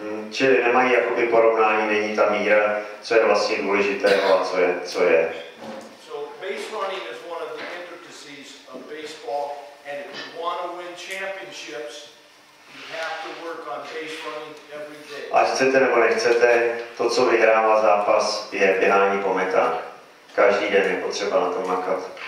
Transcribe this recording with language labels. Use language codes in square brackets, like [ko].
[cs] Čili nemají jakoby porovnání, není ta míra, co je vlastně důležité a co je. [en] So base running is one of the intricacies of baseball, and if you want to win championships, you have to work on base running every day. [cs] Ať chcete nebo nechcete, to, co vyhrává zápas, je běhání po metách. Každý den je potřeba na tom makat.